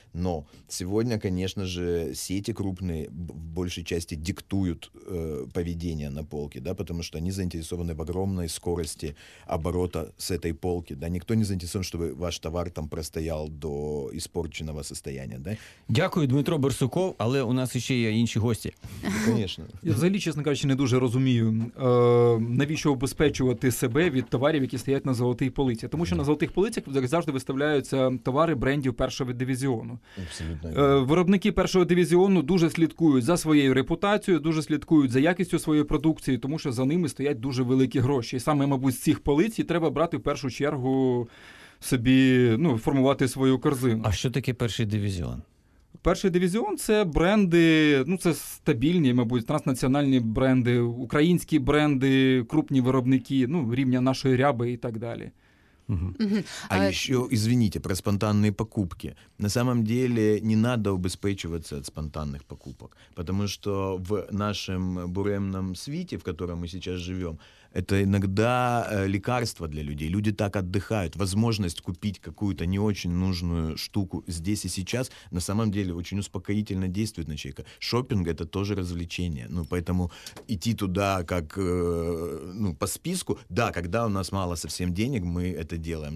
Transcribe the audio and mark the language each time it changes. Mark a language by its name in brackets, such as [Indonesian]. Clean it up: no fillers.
[Russian] Но сегодня, конечно же, сети крупные в большей части диктуют поведение на полке, да, потому что они заинтересованы в огромной скорости оборота с этой полки. Да. Никто не заинтересован, чтобы ваш товар там простоял до испорченного состояния. Да. [Ukrainian] Дякую, Дмитро Барсуков, але у нас еще є інші гості. [Russian] Конечно. [Ukrainian] Я взагалі, чесно кажучи, не дуже розумію, навіщо обезпечувати себе від товарів, які стоять на золотій полиці. Тому що на золотих полицях завжди виставляються товари брендів першого дивізіону. Абсолютно. Виробники першого дивізіону дуже слідкують за своєю репутацією, дуже слідкують за якістю своєї продукції, тому що за ними стоять дуже великі гроші. І саме, мабуть, з цих полиць треба брати в першу чергу собі, ну, формувати свою корзину. А що таке перший дивізіон? Перший дивізіон – це бренди, ну, це стабільні, мабуть, транснаціональні бренди, українські бренди, крупні виробники, ну, рівня нашої ряби і так далі. Угу. А ще, извините, про спонтанні покупки. [Russian] На самом деле, не надо [Ukrainian] обезпечуватися від спонтанних покупок, тому що в нашому буремному світі, в якому ми зараз живемо, [Russian] это иногда лекарство для людей. Люди так отдыхают. Возможность купить какую-то не очень нужную штуку здесь и сейчас на самом деле очень успокоительно действует на человека. Шоппинг — это тоже развлечение. Ну, поэтому идти туда как ну, по списку, да, когда у нас мало совсем денег, мы это делаем.